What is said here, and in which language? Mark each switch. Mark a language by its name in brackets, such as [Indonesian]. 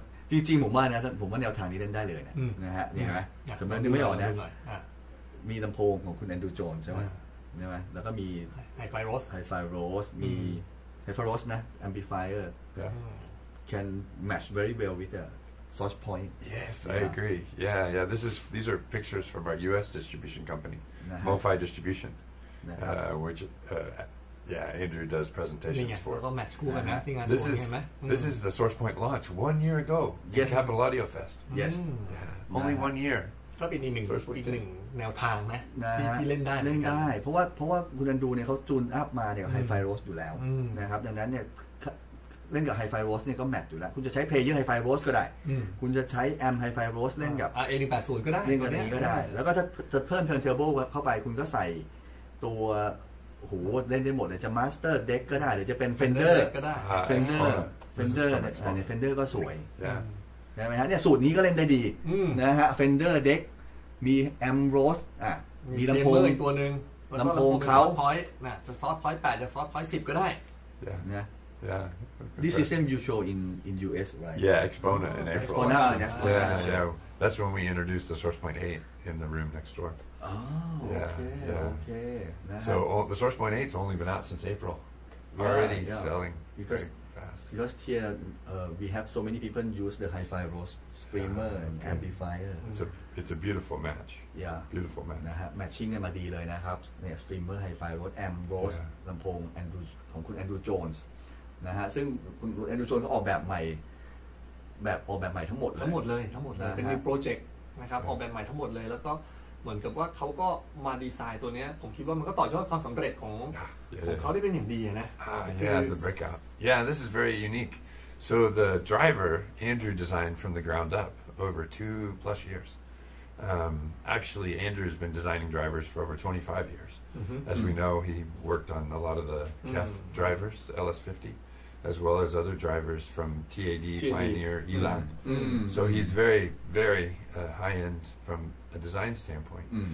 [Thai] จริงๆผมว่านะผมว่าแนวทางนี้เล่นได้เลยนะนะฮะเนี่ยใช่ไหมสมมติไม่ออกนะมีลำโพงของคุณแอนดูโจนใช่ไหมใช่ไหมแล้วก็มี ไฮไฟโรส มีไฮไฟโรสนะแอมพลิฟายเออร์ [English] can match very well with the source point. Yes, I agree. Yeah, yeah. These are pictures from our U.S. distribution company, MoFi Distribution. Which Andrew does presentations for. This is the source point launch 1 year ago in Capital Audio Fest. Yes, only 1 year. [Thai] ก็เป็นอีกหนึ่งแนวทางไหมที่เล่นได้เล่นได้เพราะว่าคุณอันดูเนี่ยเขาจูนอัพมาเนี่ยไฮไฟโรสอยู่แล้วนะครับดังนั้นเนี่ยเล่นกับไฮไฟโรสเนี่ยก็แมทอยู่แล้วคุณจะใช้เพย์เยอร์ไฮไฟโรสก็ได้ คุณจะใช้แอมไฮไฟโรสเล่นกับ A180ก็ได้เล่นกับนี้ก็ได้แล้วก็จะเพิ่มเทิร์นเทเบิลเข้าไปคุณก็ใส่ตัวหูเล่นได้หมดเลยจะมาสเตอร์เด็กก็ได้หรือจะเป็นเฟนเดอร์ ก็ได้เฟนเดอร์เนี่ยเฟนเดอร์ก็สวยใช่ไหมฮะเนี่ยสูตรนี้ก็เล่นได้ดีนะฮะเฟนเดอร์เด็กมีแอมโรส มีลำโพงอีกตัวนึง ลำโพงเขา ซอฟต์พอยต์นะจะซอฟต์พอยต์8จะซอฟต์พอยต์10ก็ได้ นะ [English] This is the same you show in US right Yeah Expona in April Expona yeah that's when we introduced the SourcePoint 8 in the room next door. Oh, yeah, okay, yeah. okay. So the SourcePoint 8 has only been out since April. Already selling very fast. Because here we have so many people use the Hi-Fi Rose Screamer and Amplifier. It's a beautiful match. Yeah. Beautiful match. [Thai] นะฮะ matching กันมาดีเลยนะครับเนี่ย Screamer Hi-Fi Rose Amp Rose ลำโพง Andrew ของคุณ Andrew Jones นะฮะซึ่งคุณ Andrew Jones ก็ออกแบบใหม่ทั้งหมดเลย เป็นมีโปรเจกต์นะครับออกแบบใหม่ทั้งหมดเลยแล้วก็เหมือนกับว่าเขาก็มาดีไซน์ตัวนี้ผมคิดว่ามันก็ต่อยอดความสำเร็จของของเขาได้เป็นอย่างดีนะ [English] yeah the breakout yeah this is very unique so the driver Andrew designed from the ground up over 2+ years actually Andrew's been designing drivers for over 25 years as we know he worked on a lot of the KEF drivers LS50 as well as other drivers from TAD Pioneer Elan so he's very very high end froma design standpoint.